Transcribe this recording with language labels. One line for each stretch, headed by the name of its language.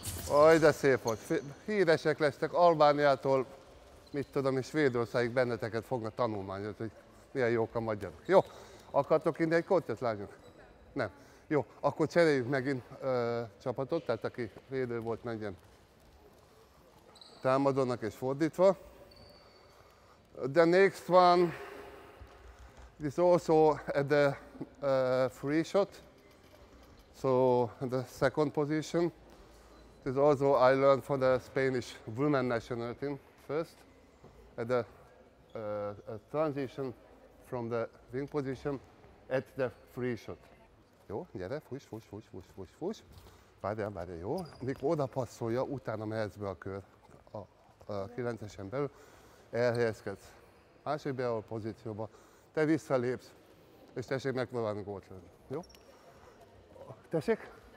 Hungarian: Aj, de szép volt. Híresek lesztek Albániától, mit tudom, és Svédországig benneteket fognak tanulmányozni, hogy milyen jók a magyarok. Jó, akartok innen egy kortyot, lányok? Nem. Jó, akkor cseréljük megint csapatot, tehát aki védő volt, menjen támadónak és fordítva.
English: The next one is also at the free shot, so the second position. This is also I learned from the Spanish women national team first at the transition from the wing position at the free shot.
Hungarian: Jó, gyere, fuss. Várjál, jó. Mikor oda passzolja, utána mehetsz be a kör a 9-esen belül, elhelyezkedsz. Másik beálló pozícióba, te visszalépsz, és tessék megpróbálni gólt lenni, jó? Tessék?